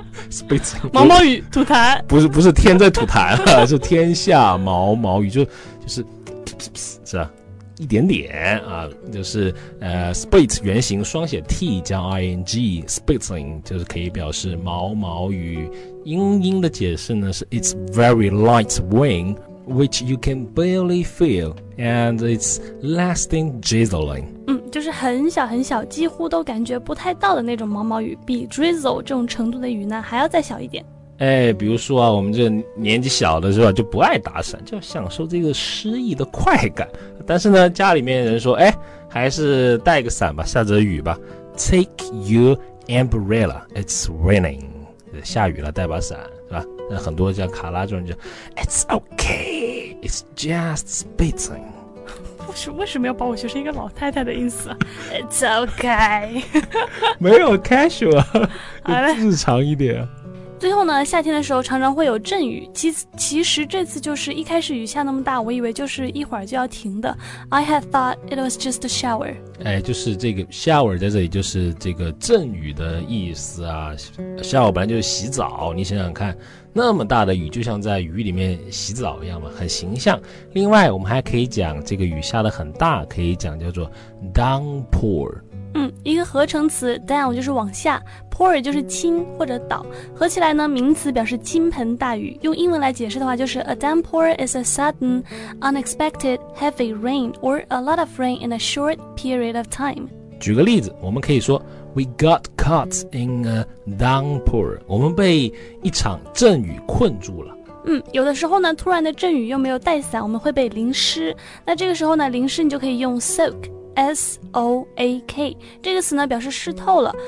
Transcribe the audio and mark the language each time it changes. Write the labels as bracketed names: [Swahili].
[English] spitting [Chinese] 毛毛雨吐痰，不是天在吐痰，是天下毛毛雨，就是是吧，一点点啊，就是spit 原型双写 t 加 ing， spitting 就是可以表示毛毛雨。英英的解释呢是 [English] it's very light wind which you can barely feel and it's lasting drizzling。 [Chinese] 就是很小很小，几乎都感觉不太到的那种毛毛雨，比 drizzle 这种程度的雨呢还要再小一点。哎，比如说啊，我们这年纪小的时候就不爱打伞，就享受这个诗意的快感。但是呢，家里面人说，哎，还是带个伞吧，下着雨吧。 [English] Take your umbrella, it's raining. [Chinese] 下雨了，带把伞，是吧？那很多像卡拉这种就 ， [English] It's okay, it's just spitting. [Chinese] 为什么要把我学成一个老太太的意思 ？ [English] It's okay. [Chinese] 没有 casual， 日常一点。最后呢，夏天的时候常常会有阵雨，其实这次就是一开始雨下那么大，我以为就是一会儿就要停的。 [English] I had thought it was just a shower。 [Chinese] 哎，就是这个 shower 在这里就是这个阵雨的意思啊。 shower 本来就是洗澡，你想想看，那么大的雨就像在雨里面洗澡一样嘛，很形象。另外我们还可以讲这个雨下得很大，可以讲叫做 downpour。一个合成词 down 就是往下， pour 就是倾或者倒，合起来呢，名词表示倾盆大雨。用英文来解释的话，就是 [English] a downpour is a sudden, unexpected, heavy rain or a lot of rain in a short period of time. [Chinese] 举个例子，我们可以说 [English] we got caught in a downpour， [Chinese] 我们被一场阵雨困住了。有的时候呢，突然的阵雨又没有带伞，我们会被淋湿。那这个时候呢，淋湿你就可以用 soakSOAK 这个词呢，表示湿透了。